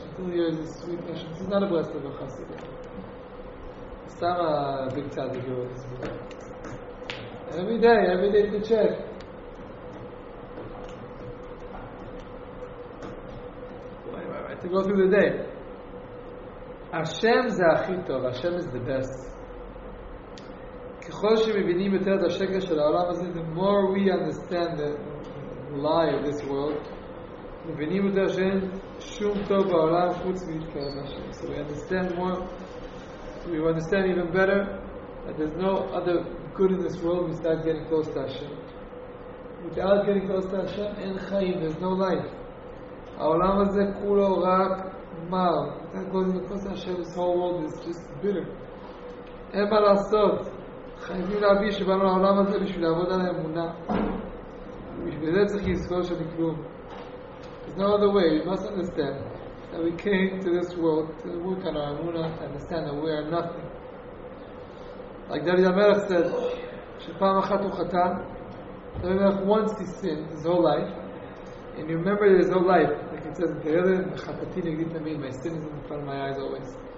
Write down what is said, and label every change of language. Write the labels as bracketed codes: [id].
[en] Until here is a sweet Hashem. This is not a breast of a chassid. It's not a big tzadik here with this book. Every day to check. Why to go through the day. Hashem [he] זה הכי טוב, [en] Hashem is the best. [he] ככל שמבינים יותר את השקל של העולם הזה, [en] the more we understand the lie of this world, [he] מבינים יותר שאין שום טוב בעולם חוץ מלהתקרב להשם. [en] So we understand more, we understand even better, that there's no other good in this world without getting close to Hashem. Without getting close to Hashem, [he] אין חיים, [en] there's no life. [he] העולם הזה כולו רק mal. [en] That goes in the course of Hashem, this whole world is just bitter. [he] אין מה לעשות. חייבים להביא שבאנו לעולם הזה בשביל לעבוד על האמונה. בשביל זה צריך לזכור שאני כלום. [en] There's no other way. You must understand that we came to this world to work on our אמונה, to understand that we are nothing. Like David המלך said, [he] שפעם אחת הוא חטא, [en] David המלך once he sinned his whole life, and you remember his whole life, it says, [he] "Chatati negdi tamid, [en] my sin is in front of my eyes always."